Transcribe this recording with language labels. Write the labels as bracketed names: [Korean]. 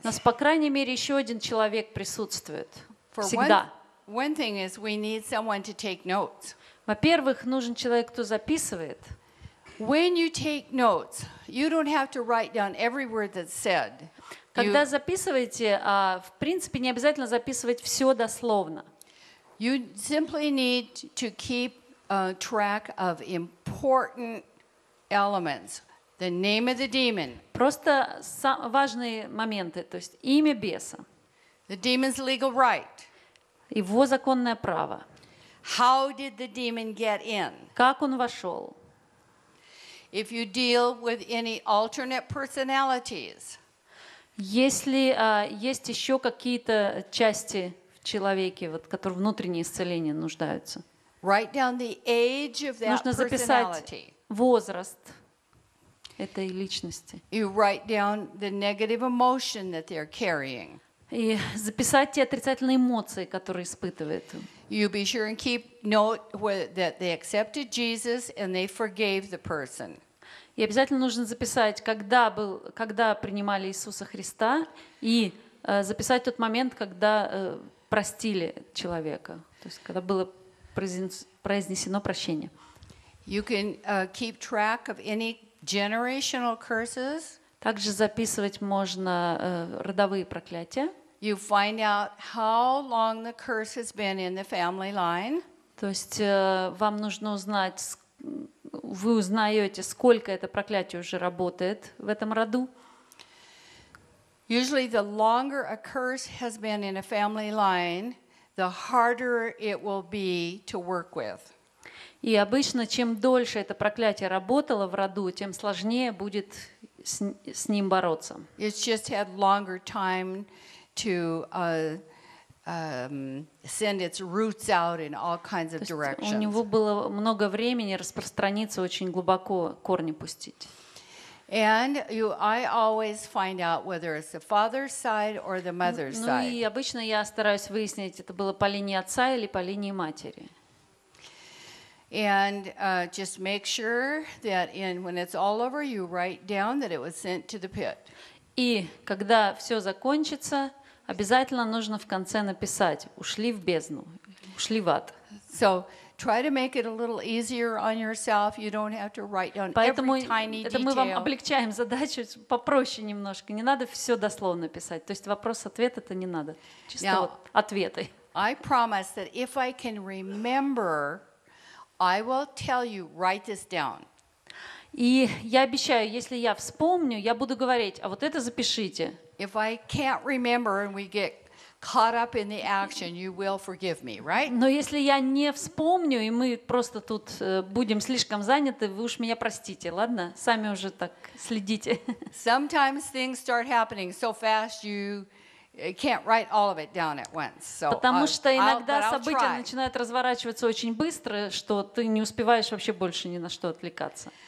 [Russian] У нас по крайней мере еще один человек присутствует всегда. [English] One thing is we need someone to take notes. [Russian] Во-первых, нужен человек, кто записывает. [English] When you take notes, you don't have to write down every word that's said. [Russian] Когда записываете, в принципе, не обязательно записывать все дословно. [English] You simply need to keep track of important elements. The name of the demon. [Russian] Просто важные моменты, то есть имя беса. [English] The demon's legal right. [Russian] Его законное право. [English] How did the demon get in? [Russian] Как он вошел? [English] If you deal with any alternate personalities. [Russian] Если есть еще какие-то части в человеке, вот, которые внутреннее исцеление нуждаются. [English] Write down the age of that personality. [Russian] Нужно записать возраст этой личности. [English] You write down the negative emotion that they're carrying. [Russian] И записать те отрицательные эмоции, которые испытывает. [English] You be sure and keep note that they accepted Jesus and they forgave the person. [Russian] И обязательно нужно записать, когда принимали Иисуса Христа, и записать тот момент, когда простили человека, то есть когда было произнесено прощение. [English] You can keep track of any generational curses. [Russian] Также записывать можно родовые проклятия. [English] You find out how long the curse has been in the family line. [Russian] То есть вам нужно узнать, вы узнаете, сколько это проклятие уже работает в этом роду. [English] Usually the longer a curse has been in a family line, the harder it will be to work with. [Russian] И обычно, чем дольше это проклятие работало в роду, тем сложнее будет с ним бороться. [English] It's just had longer time to send its roots out in all kinds of directions. [Russian] У него было много времени распространиться, очень глубоко корни пустить. [English] And I always find out whether it's the father's side or the mother's side. [Russian] Ну и обычно я стараюсь выяснить, это было по линии отца или по линии матери. [English] And just make sure that when it's all over, you write down that it was sent to the pit. [Russian] И когда все закончится, обязательно нужно в конце написать: ушли в бездну, ушли в ад. [English] So try to make it a little easier on yourself. You don't have to write down every tiny detail. [Russian] Поэтому это мы вам облегчаем задачу, попроще немножко. Не надо все дословно писать. То есть вопрос-ответ это не надо. Чисто вот ответы. [English] I promise that if I can remember, I will tell you, write this down. [Russian] И я обещаю, если я вспомню, я буду говорить: а вот это запишите. [English] If I can't remember and we get caught up in the action, you will forgive me, right? [Russian] Но если я не вспомню, и мы просто тут будем слишком заняты, вы уж меня простите, ладно? Сами уже так следите. [English] Sometimes things start happening so fast you can't write all of it down at once. So, [Russian] потому что иногда события начинают разворачиваться очень быстро, что ты не успеваешь вообще больше ни на что отвлекаться.